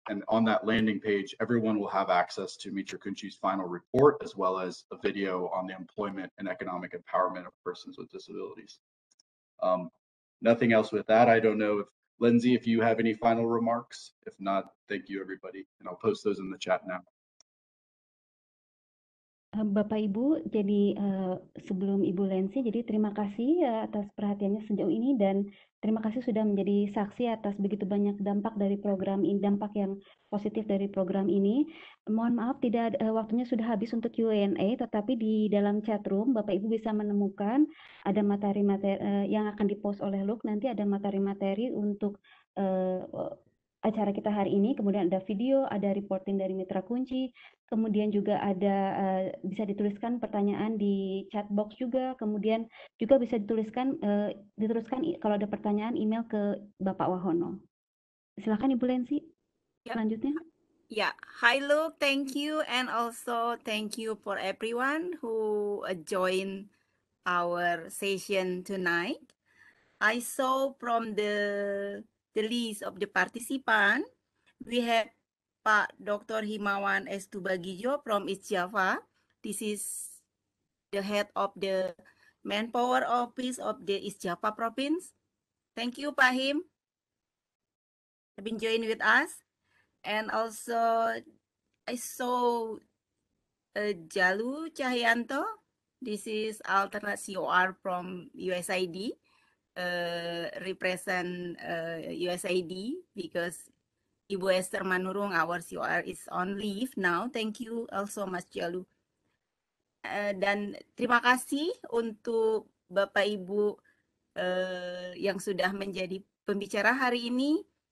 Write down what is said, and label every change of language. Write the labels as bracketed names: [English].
[English] And on that landing page, everyone will have access to Mitra Kunci's final report, as well as a video on the employment and economic empowerment of persons with disabilities. Nothing else with that. I don't know if Lindsay, if you have any final remarks. If not, thank you everybody. And I'll post those in the chat now. [Indonesian] Bapak Ibu, jadi sebelum Ibu Lensi, jadi terima kasih atas perhatiannya sejauh ini, dan terima kasih sudah menjadi saksi atas begitu banyak dampak dari program ini, dampak yang positif dari program ini. Mohon maaf, tidak waktunya sudah habis untuk Q&A, tetapi di dalam chat room Bapak Ibu bisa menemukan ada materi-materi yang akan dipost oleh Luke. Nanti ada materi-materi untuk acara kita hari ini, kemudian ada video, ada reporting dari Mitra Kunci, kemudian juga ada bisa dituliskan pertanyaan di chat box juga, kemudian juga bisa dituliskan diteruskan kalau ada pertanyaan email ke Bapak Wahono. Silakan Ibu Lensi, yep. Selanjutnya. Ya, yeah. [English] Hi Luke, thank you, and also thank you for everyone who join our session tonight. I saw from the list of the participant, we have Pak Dr. Himawan S. Tubagijo from East Java. This is the head of the manpower office of the East Java province. Thank you, Pak Him, for being joined with us. And also, I saw Jalu Cahyanto. This is alternate COR from USAID. Represent USAID, because Ibu Esther Manurung, our COR, is on leave now. Thank you also, Mas Jalu. [Indonesian] Dan terima kasih untuk Bapak Ibu yang sudah menjadi pembicara hari ini.